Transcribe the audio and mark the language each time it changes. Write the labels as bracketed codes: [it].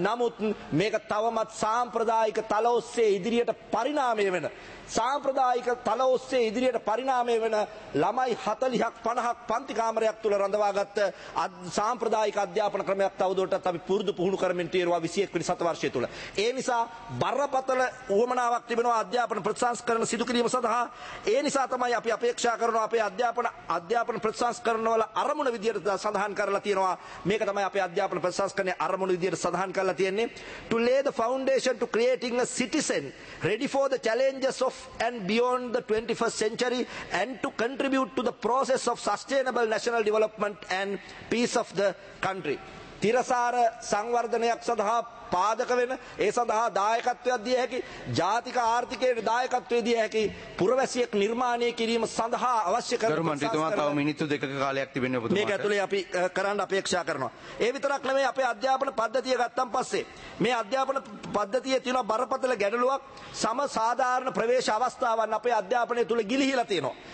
[si] නමුත් මේක තවමත් සාම්ප්‍රදායික තල ඔස්සේ ඉදිරියට පරිණාමය වෙන සාම්ප්‍රදායික තල ඔස්සේ ඉදිරියට පරිණාමය වෙන ළමයි 40ක් 50ක් පන්ති කාමරයක් තුළ රඳවාගත් සාම්ප්‍රදායික අධ්‍යාපන ක්‍රමයක් තවදුරටත් අපි පුරුදු පුහුණු කරමින් තීරුවා 21 වෙනි සතවර්ෂය තුළ. ඒ නිසා බරපතල උවමනාවක් තිබෙනවා අධ්‍යාපන ප්‍රතිසංස්කරණ සිදු කිරීම සඳහා. ඒ නිසා තමයි අපි අපේක්ෂා කරනවා අපේ අධ්‍යාපන ප්‍රතිසංස්කරණවල අරමුණ විදියට සඳහන් කරලා තියෙනවා. මේක තමයි අපේ අධ්‍යාපන ප්‍රතිසංස්කරණයේ අරමුණ විදියට සඳහන් කරලා තියෙන්නේ. [en] To lay the foundation to creating a citizen ready for the challenges of and beyond the 21st century and to contribute to the process of sustainable national development and peace of the country. [si] තිරසාර සංවර්ධනයක් සඳහා පාදක වෙන ඒ සඳහා දායකත්වයක් දිය හැකි ජාතික ආර්ථිකයේ දායකත්වය දිය හැකි පුරවැසියෙක් නිර්මාණය කිරීම සඳහා අවශ්‍ය කරන ගරු මන්ත්‍රීතුමා තව මිනිත්තු දෙකක කාලයක් තිබෙනවා ඔබතුමාට මේක ඇතුලේ අපි කරන්න අපේක්ෂා කරනවා. ඒ විතරක් නෙමෙයි අපේ අධ්‍යාපන පද්ධතිය ගත්තන් පස්සේ මේ අධ්‍යාපන පද්ධතියේ තියෙන බරපතල ගැටලුවක් සම සාධාරණ ප්‍රවේශ අවස්ථාවන් අපේ අධ්‍යාපනය තුල ගිලිහිලා තියෙනවා.